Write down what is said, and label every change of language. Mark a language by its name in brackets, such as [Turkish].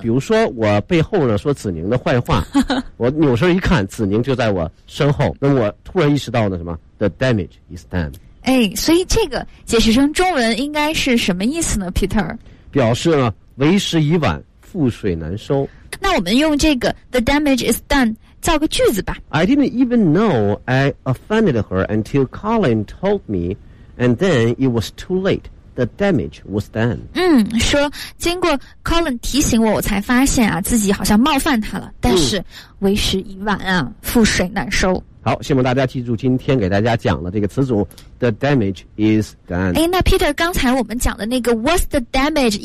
[Chinese] 比如说我背后呢说子宁的坏话，我扭身一看子宁就在我身后，那我突然意识到呢什么 [English] the damage is done。 [Chinese] 哎，所以这个解释成中文应该是什么意思呢 Peter？表示呢为时已晚，覆水难收。那我们用这个 [English] the damage is done [Chinese] 造个句子吧。 [English] I didn't even know I offended her until Colin told me, and then it was too late. The damage was done. [Chinese] 嗯，说经过 Colin 提醒我，我才发现啊，自己好像冒犯他了。但是为时已晚啊，覆水难收。好，希望大家记住今天给大家讲的这个词组 ， [English] the damage is done。 [Chinese] 哎，那 Peter， 刚才我们讲的那个 [English] What's the damage？